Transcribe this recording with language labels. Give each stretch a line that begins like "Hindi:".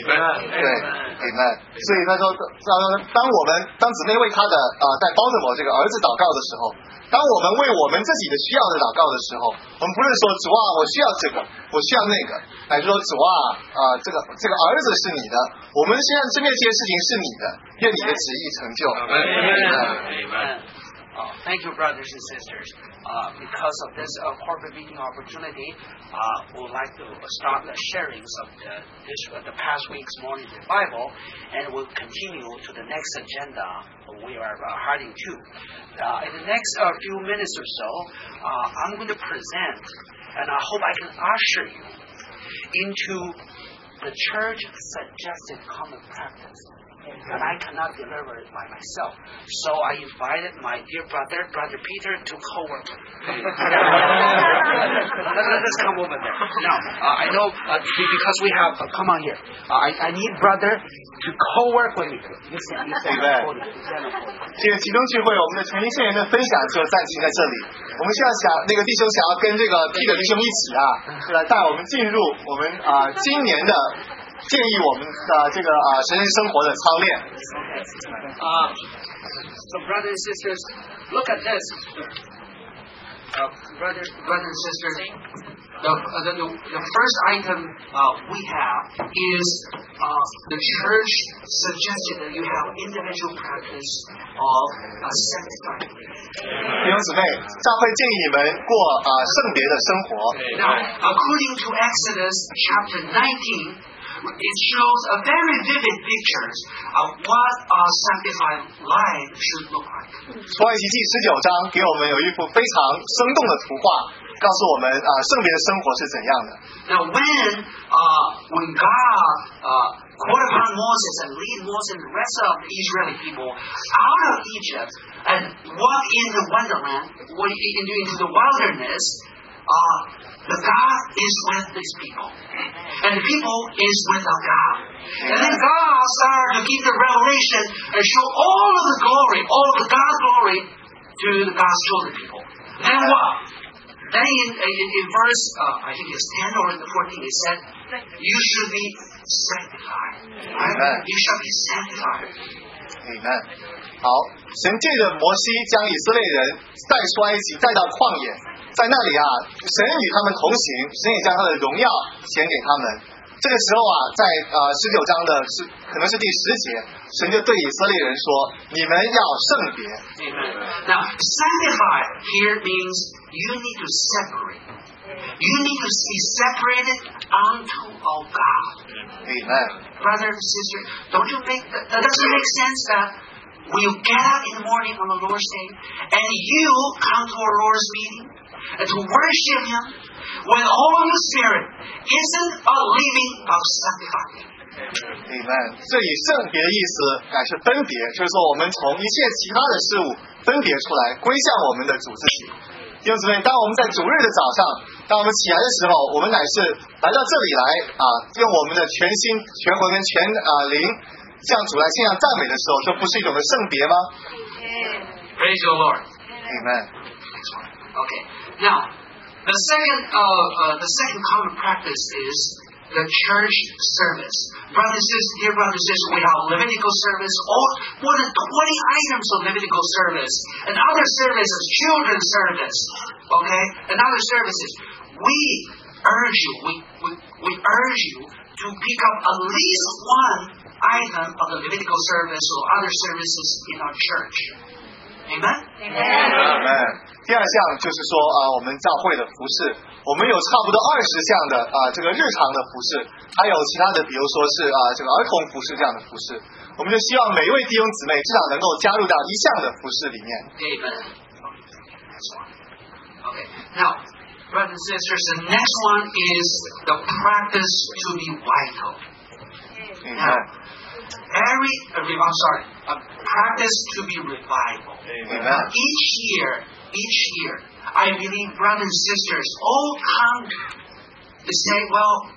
Chinese: 对，你们，所以他说，当我们当姊妹为他的在包子某这个儿子祷告的时候，当我们为我们自己的需要的祷告的时候，我们不是说主啊，我需要这个，我需要那个，乃是说主啊，这个儿子是你的，我们现在这面这些事情是你的，愿你的旨意成就。
English: Thank you, brothers and sisters. Because of this corporate meeting opportunity, we'd like to start the sharings of the past week's morning revival, and we'll continue to the next agenda we are heading to. In the next few minutes or so, I'm going to present, and I hope I can usher you into the church-suggested common practice. And I cannot deliver it by myself. So I invited my dear brother, Brother Peter, to co-work with me. Let's come over there. Now, I know, because we have, come on here. I need brother to co-work with me. Listen, listen.
Chinese: 这个启动聚会，我们的陈一圣人的分享就暂停在这里。我们现在想，那个弟兄想要跟这个 Peter 弟兄一起啊，来带我们进入我们今年的建议我们的这个神人生活的操练。
English: So brothers and sisters, look at this. Brothers and sisters, the first item we have is the church suggested that you have individual practice of sanctifying.
Chinese: 弟兄姊妹，教会建议你们过圣别的生活。
English: Now, according to Exodus chapter 19. It shows a very vivid picture of what a sanctified life should look like.
Chinese: 出埃及记十九章给我们有一幅非常生动的图画，告诉我们圣别的生活是怎样的。
English: Now when God called upon Moses and lead Moses and the rest of the Israeli people out of Egypt and walk in the wonderland, what he can do into the wilderness, But God is with these people. And the people is without God. And then God started to give the revelation and show all of the glory, all of the God's glory to the God's chosen people. Then what? Then in verse, I think it's 10 or in the 14, it said, you should be sanctified. Amen. You shall be sanctified. Amen.
Chinese: 好，神借着摩西将以色列人带出埃及，带到旷野，在那里啊，神与他们同行，神也将他的荣耀显给他们。这个时候啊，在十九章的可能是第十节，神就对以色列人说：“你们要圣别。”
English: Now sanctify here means you need to separate. You need to be separated unto our God. Amen. Brother and sister, don't you think that doesn't make sense that? When you get up in the morning on the Lord's Day, and you come to our Lord's meeting and to worship Him, when all of the Spirit isn't a living of sanctifying. Amen.
Chinese: 这以圣别的意思乃是分别，就是说我们从一切其他的事物分别出来，归向我们的主自己。弟兄姊妹，当我们在主日的早上，当我们起来的时候，我们乃是来到这里来用我们的全心、全魂跟全灵。向主来献上赞美的时候，这不是一种的圣别吗？
English: Praise the Lord. Amen. Okay. Now, the second common practice is the church service. Brothers and sisters, dear brothers and sisters, we have Levitical service, more than 20 items of Levitical service, and other services, children's service, okay, and other services. We urge you to pick up at least one. Item of the Levitical service or other services in our church. Amen. Amen.
Chinese: 第二项就是说我们教会的服事，我们有差不多20项的这个日常的服事，还有其他的，比如说是这个儿童服事这样的服事。我们就希望每一位弟兄姊妹至少能够加入到一项的服事里面。
English: Amen. Okay. Now, brothers and sisters, the next one is the practice to be vital. A practice to be revival. Amen. Each year, I believe brothers and sisters all come to say, well,